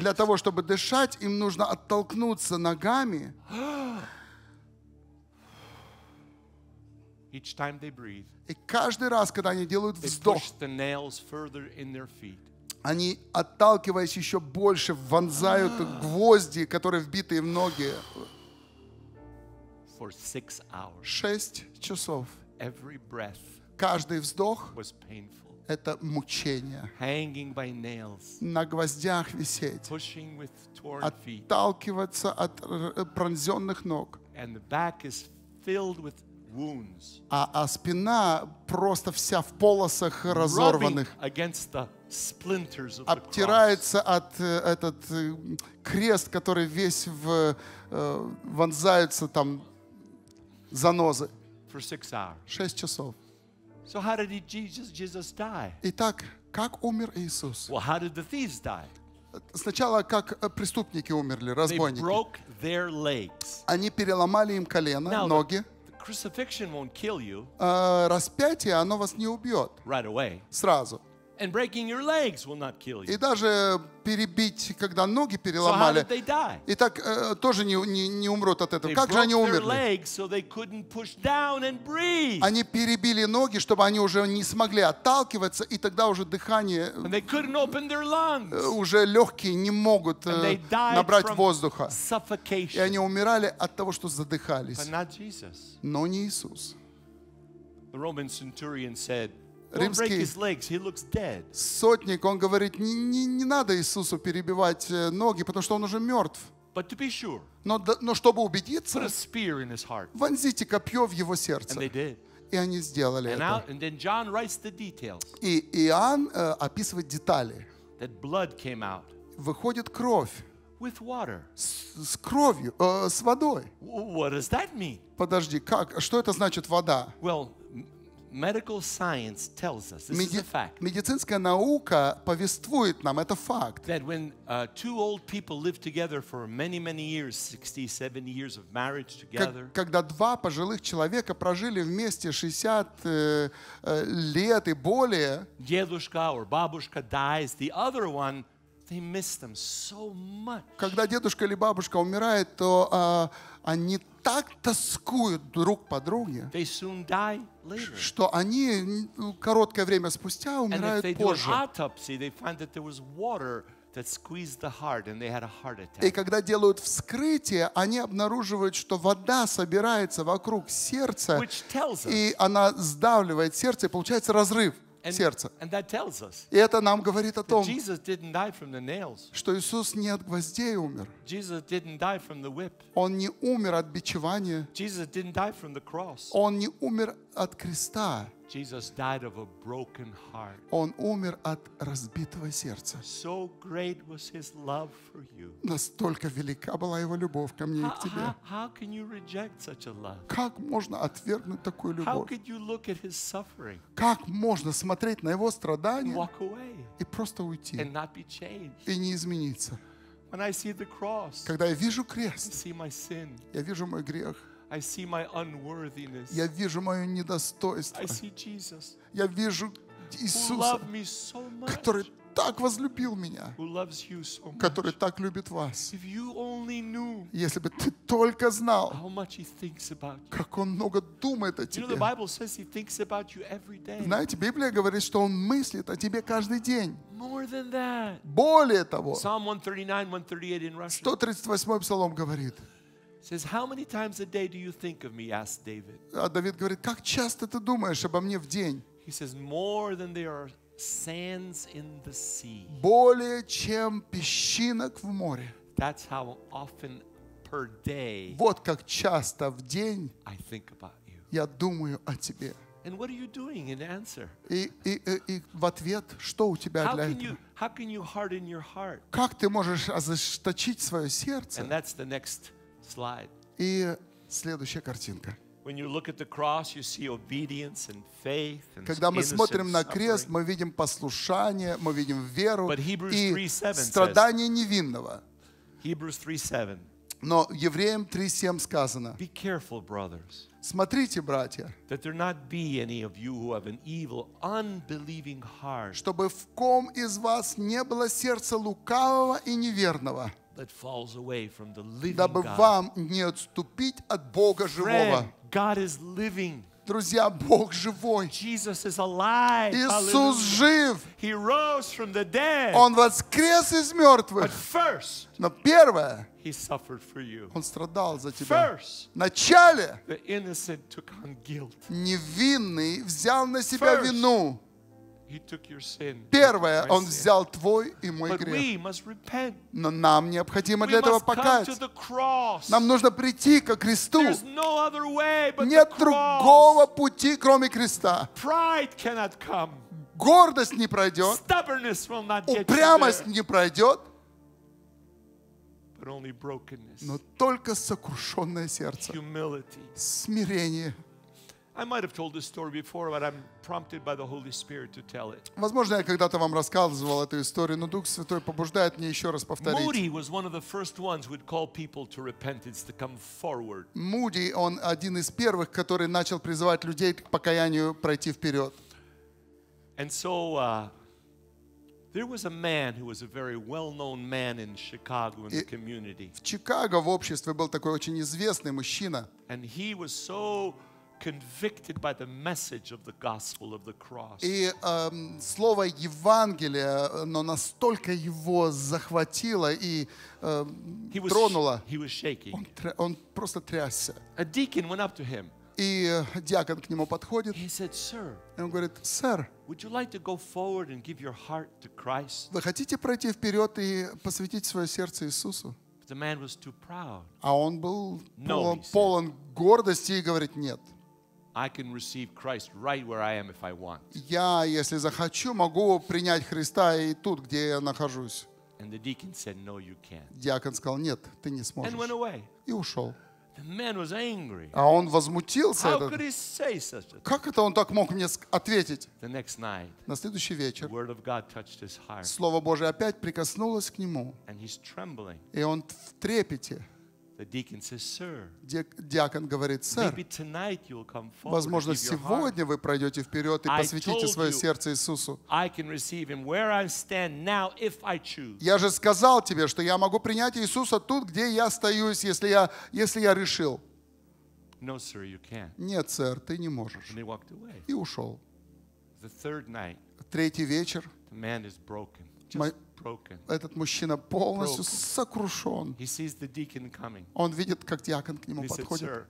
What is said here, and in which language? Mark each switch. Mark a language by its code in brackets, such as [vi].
[ru] Для того, чтобы дышать, им нужно оттолкнуться ногами. [en] Each time they breathe. [ru] И каждый раз, когда они делают вздох, [en] they push the nails further in their feet. [ru] Они, отталкиваясь еще больше, вонзают гвозди, которые вбиты в ноги. [en] For 6 hours. [ru] 6 часов. [en] Every breath. [ru] Каждый вздох. [en] Was painful. [ru] Это мучение. [en] Hanging by nails. [ru] На гвоздях висеть. [en] Pushing with torn feet. [ru] Отталкиваться от пронзенных ног. [en] And the back is filled with wounds. [ru] А спина просто вся в полосах разорванных. [en] Rubbing against the splinters of the cross. [ru] Обтирается от этот крест, который весь в вонзаются там занозы. [en] For 6 hours. [ru] 6 часов. [en] So how did Jesus die? [ru] Итак, как умер Иисус? [en] Well, how did the thieves die? [ru] Сначала как преступники умерли, разбойники. [en] They broke their legs. [ru] Они переломали им колено, ноги. [en] Crucifixion won't kill you. [ru] Распятие, оно вас не убьет. [en] Right away. [ru] Сразу. [en] And breaking your legs will not kill you. [ru] И даже перебить, когда ноги переломали. [en] So how did they die? [ru] Итак, тоже не умрут от этого. [en] They [ru] как же они умерли? [en] Their legs so they couldn't push down and breathe. [ru] Они перебили ноги, чтобы они уже не смогли отталкиваться, и тогда уже дыхание. [en] And they couldn't open their lungs. [ru] Уже легкие не могут набрать воздуха. [en] Suffocation. [ru] И они умирали от того, что задыхались. [en] But not Jesus. [ru] Но не Иисус. [en] The Roman centurion said. Don't break his legs. He looks dead. [ru] Сотник, он говорит, не надо Иисусу перебивать ноги, потому что он уже мертв. [en] But to be sure. [ru] Но чтобы убедиться. [en] Put a spear in his heart. [ru] Вонзите копье в его сердце. [en] And they did. [ru] И они сделали это. [en] And then John writes the details. [ru] И Иоанн описывает детали. [en] That blood came out. [ru] Выходит кровь. [en] With water. [ru] С кровью, с водой. [en] What does that mean? [ru] Подожди, как? Что это значит вода? [en] Well. Medical science tells us this is a fact. [ru] Медицинская наука повествует нам, это факт. [en] That when two old people live together for many, many years, 60, 70 years of marriage together. [ru] Когда два пожилых человека прожили вместе 60 лет и более. Дедушка [en] or [ru] бабушка [en] dies, the other one. They miss them so much. [ru] Когда дедушка или бабушка умирает, то они так тоскуют друг по друге, [en] they soon die later. [ru] Что они короткое время спустя умирают позже. [en] And if they do an autopsy, they find that there was water that squeezed the heart, and they had a heart attack. [ru] И когда делают вскрытие, они обнаруживают, что вода собирается вокруг сердца, [en] which tells us. [ru] И она сдавливает сердце, и получается разрыв. [en] And that tells us. [ru] И это нам говорит о том, [en] Jesus didn't die from the nails. [ru] Что Иисус не от гвоздей умер. [en] Jesus didn't die from the whip. [ru] Он не умер от бичевания. [en] Jesus didn't die from the cross. [ru] Он не умер от креста. [en] Jesus died of a broken heart. [ru] Он умер от разбитого сердца. [en] So great was his love for you. [ru] Настолько велика была его любовь ко мне и к тебе. [en] How can you reject such a love? [ru] Как можно отвергнуть такую любовь? [en] How could you look at his suffering? [ru] Как можно смотреть на его страдания [en] and walk away? [ru] И просто уйти? [en] And not be changed? [ru] И не измениться? [en] When I see the cross, [ru] когда я вижу крест, [en] I see my sin. [ru] Я вижу мой грех. [en] I see my unworthiness. [ru] Я вижу мое недостоинство. [en] I see Jesus. [ru] Я вижу Иисуса, [en] who loved me so much. [ru] Который так возлюбил меня, [en] who loves you so much. [ru] Который так любит вас. [en] If you only knew, [ru] если бы ты только знал, [en] how much he thinks about you. [ru] Как он много думает о тебе. [en] You know, the Bible says he thinks about you every day. [ru] Знаете, Библия говорит, что он мыслит о тебе каждый день. [en] More than that. [ru] Более того, [en] Psalm 139:138 in Russian. [ru] 138 псалом говорит. [en] Says, how many times a day do you think of me? Asked David. [ru] А Давид говорит, как часто ты думаешь обо мне в день? [en] He says, more than there are sands in the sea. [ru] Более чем песчинок в море. [en] That's how often per day. [ru] Вот как часто в день. [en] I think about you. [ru] Я думаю о тебе. [en] And what are you doing in answer? [ru] И в ответ, что у тебя для этого? [en] How can you harden your heart? [ru] Как ты можешь ожесточить свое сердце? [en] And that's the next slide. [ru] И следующая картинка. [en] When you look at the cross, you see obedience and faith and innocence. [ru] Когда мы смотрим на крест, мы видим послушание, мы видим веру и страдание невинного. [en] Hebrews 3:7. [ru] Но Евреям 3:7 сказано. [en] Be careful, brothers. [ru] Смотрите, братья. [en] That there not be any of you who have an evil, unbelieving heart. [ru] Чтобы в ком из вас не было сердца лукавого и неверного. [en] That falls away from the living [ru] Дабы вам не отступить от Бога живого. [en] God is living. [ru] Друзья, Бог живой. [en] Jesus is alive. [ru] Иисус жив. [en] He rose from the dead. [ru] Он воскрес из мертвых. [en] But first, [ru] но первое, [en] he suffered for you. [ru] Он страдал за тебя. [en] First, [ru] вначале, [en] the innocent took on guilt. [ru] Невинный взял на себя [en] first, [ru] вину. [en] He took your sin. [ru] Первое, он взял твой и мой грех. [en] But we must repent. [ru] Но нам необходимо для этого покаяться. Нам нужно прийти ко кресту. [en] There's no other way but the cross. [ru] Нет другого пути, кроме креста. [en] Pride cannot come. [ru] Гордость не пройдет. [en] Stubbornness will not get you. [ru] Упрямость не пройдет. [en] But only brokenness. [ru] Но только сокрушенное сердце. [en] Humility. [ru] Смирение. [en] I might have told this story before, but I'm prompted by the Holy Spirit to tell it. [ru] Возможно, я когда-то вам рассказывал эту историю, но Дух Святой побуждает мне еще раз повторить. [en] Moody was one of the first ones who would call people to repentance to come forward. [ru] Moody, он один из первых, который начал призывать людей к покаянию пройти вперед. [en] And so there was a man who was a very well-known man in Chicago in the community. [ru] В Чикаго в обществе был такой очень известный мужчина. [en] And he was so convicted by the message of the gospel of the cross. [ru] И слово Евангелия, оно настолько его захватило и тронуло. [en] He was shaking. [ru] Он просто трясся. [en] A deacon went up to him. [ru] И диакон к нему подходит. [en] He said, "Sir." [ru] И он говорит, сэр. [en] Would you like to go forward and give your heart to Christ? [ru] Вы хотите пройти вперед и посвятить свое сердце Иисусу? [en] But the man was too proud. [ru] А он был полон гордости и говорит нет. [en] I can receive Christ right where I am if I want. [ru] Я, если захочу, могу принять Христа и тут, где я нахожусь. [en] And the deacon said, "No, you can't." [ru] Диакон сказал, нет, ты не сможешь. [en] And went away. [ru] И ушел. [en] The man was angry. [ru] А он возмутился. [en] How could he say such a thing? [ru] Как это он так мог мне ответить? [en] The next night. [ru] На следующий вечер. [en] The word of God touched his heart. [ru] Слово Божие опять прикоснулось к нему. [en] And he's trembling. [ru] И он в трепете. [en] The deacon says, "Sir." [ru] Диакон говорит, сэр. [en] Maybe tonight you'll come forward. [ru] Возможно, сегодня вы пройдете вперед и посвятите свое сердце Иисусу. [en] I can receive Him where I stand now if I choose. [ru] Я же сказал тебе, что я могу принять Иисуса тут, где я стою, если я решил. [en] No, sir, you can't. [ru] Нет, сэр, ты не можешь. [en] And he walked away. [ru] И ушел. [en] The third night. [ru] Третий вечер. [en] The man is broken. [ru] Этот мужчина полностью сокрушен. Он видит, как диакон к нему подходит.